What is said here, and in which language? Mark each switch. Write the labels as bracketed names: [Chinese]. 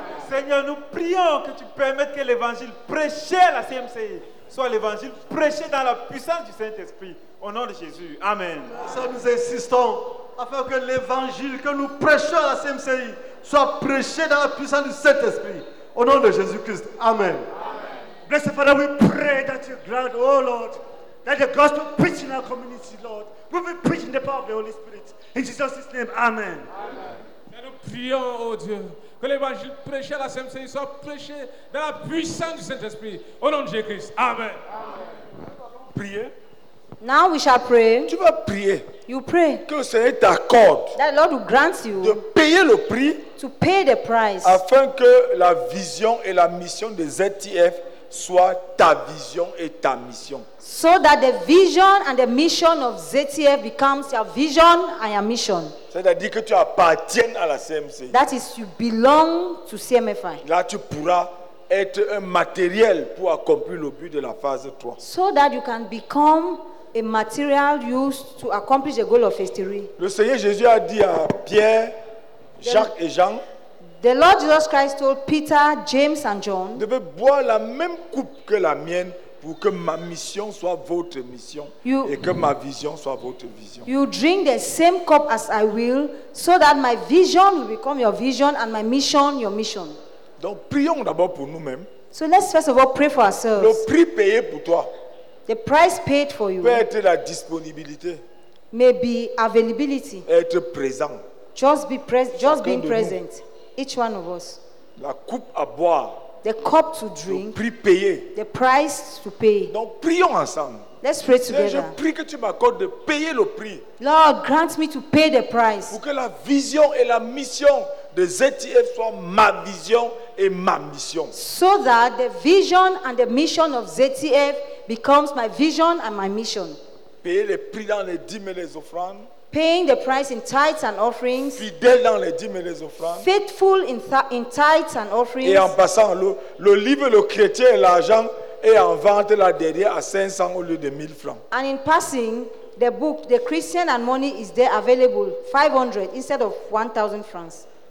[French] Seigneur, nous prions que tu permettes que l'évangile prêché à la CMCI soit l'évangile prêché dans la puissance du Saint-Esprit. Au nom de Jésus. Amen. Ça, nous insistons afin que l'évangile que nous prêchons à la CMCI soit prêché dans la puissance du Saint-Esprit. Au nom de Jésus-Christ. Amen. Amen. [English] Blessed Father, we pray that you grant, oh Lord, that the gospel preach in our community, Lord. We will preach in the power of the Holy Spirit. In Jesus' name, amen. Amen. [French] Et nous prions, oh Dieu, que l'évangile prêché à la CMCI soit prêché dans la puissance du Saint-Esprit. Au nom de Jésus-Christ. Amen. Amen. Prier. [English] Now we shall pray. [French] Tu vas prier. [English] You pray. [French] Que le Seigneur t'accorde. [English] That the Lord will grant you. [French] De payer le prix. [English] To pay the price. [French] Afin que la vision et la mission de ZTF soient ta vision et ta mission. [English] So that the vision and the mission of ZTF becomes your vision and your mission. [French] C'est-à-dire que tu appartiens à la CMCI. [English] That is, you belong to CMFI. [French] Là, tu pourras être un matériel pour accomplir le but de la phase 3. [English] So that you can become a material used to accomplish the goal of phase 3. [French] Le Seigneur Jésus a dit à Pierre, Jacques et Jean. [English] The Lord Jesus Christ told Peter, James and John. [French] Vous devez boire la même coupe que la mienne. Pour que ma mission soit votre mission et que ma vision soit votre vision. [English] You drink the same cup as I will, so that my vision will become your vision and my mission your mission. [French] Donc prions d'abord pour nous-mêmes. [English] So let's first of all pray for ourselves. [French] Le prix payé pour toi. [English] The price paid for you. [French] Peut être la disponibilité. [English] Maybe availability. [French] Être présent. [English] Just be present. Just being present. Each one of us. [French] La coupe à boire. [English] The cup to drink. [French] Le prix payé. [English] The price to pay. [French] Donc prions ensemble. [English] Let's pray together. [French] Je prie que tu m'accordes de payer le prix. [English] Lord, grant me to pay the price. [French] Pour que la vision et la mission de ZTF soit ma vision et ma mission. [English] So that the vision and the mission of ZTF becomes my vision and my mission. [French] Payer le prix dans les dîmes et les offrandes. [English] Paying the price in tithes and offerings. [French] Fidèle dans les dîmes et les offrandes. [English] Faithful in tithes and offerings. [French] Et en passant, le livre, le chrétien et l'argent est en vente là derrière à 500 au lieu de 1000 francs. [English] And in passing, the book, the Christian and money is there available, 500 instead of 1000 francs.